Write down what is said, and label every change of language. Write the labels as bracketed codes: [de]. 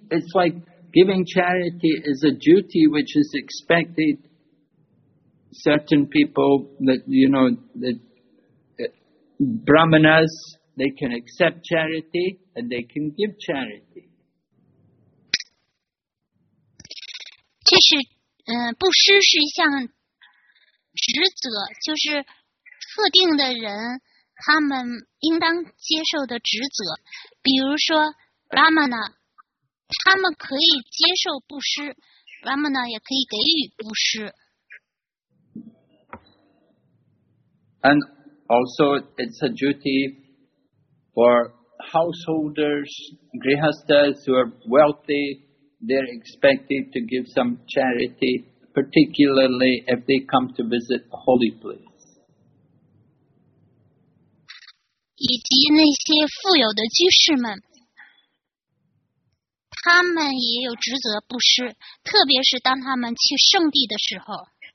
[en] It's like giving charity is a duty which is expected certain people that, you know, that Brahmanas, they can accept charity and they can give charity. [zh] 这是，布施是一项职责，就是特定的人他们应当接受的职责。比如说 Brahmana, 他们可以接受布施 ，Brahmana 也可以给予布施。 [en] And also, it's a duty for householders, grihasthas who are wealthy, they're expected to give some charity, particularly if they come to visit a holy place. [zh] 以及那些富有的居士们，他们也有职责布施，特别是当他们去圣地的时候。